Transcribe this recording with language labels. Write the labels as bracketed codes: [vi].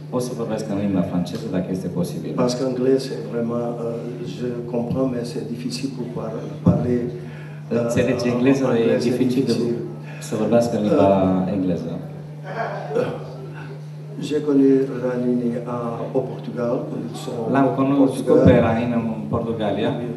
[ro] Pot să vorbesc în limba franceză dacă este posibil. [fr] Parce que l'anglais, c'est vraiment, je comprends, mais c'est difficile pour parler. [ro] Înțelegi engleză, dar e dificil de să vorbească în limba engleză. [fr] J'ai connu Ranine au Portugal. [ro] L-am cunoscut pe Ranine în Portugalia.